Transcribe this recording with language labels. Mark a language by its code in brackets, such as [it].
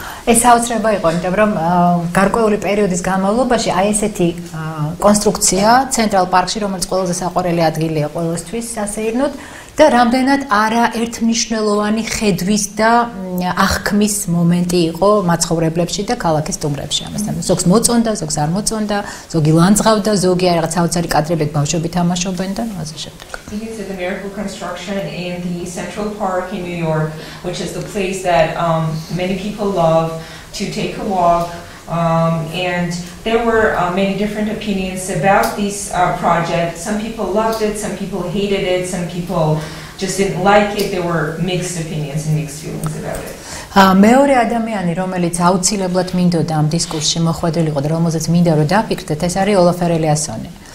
[ka] ეს საოცრება იყო, იმიტომ რომ გარკვეული პერიოდის განმავლობაში აი ესეთი კონსტრუქცია ცენტრალ პარკში, რომელიც ყველაზე საყვარელი ადგილია ყველასთვის სასეირნოდ და რამდენად არა ერთმნიშვნელოვანი ხედვის და აღქმის მომენტი იყო მაცხოვრებლებში და ქალაქის სტუმრებში. ამასთან ზოგს მოწონდა, ზოგს არ მოწონდა, ზოგი ლანძღავდა, ზოგი არ რაღაც საოცარი კადრები ბავშვები თამაშობენ და ასე შემდეგ. [en] Miracle construction in the Central Park in New York, which is the place that many people love to take a walk. And there were many different opinions about this project. Some people loved it, some people hated it, some people just didn't like it. There were mixed opinions and mixed feelings about it. [ka] მეორე ადამიანი, რომელიც აუცილებლად მინდოდა ამ დისკურსში მოხვედრილიყო და რომელზეც მინდა რომ დაფიქრდეთ, ეს არის ოლაფერ ელიასონი.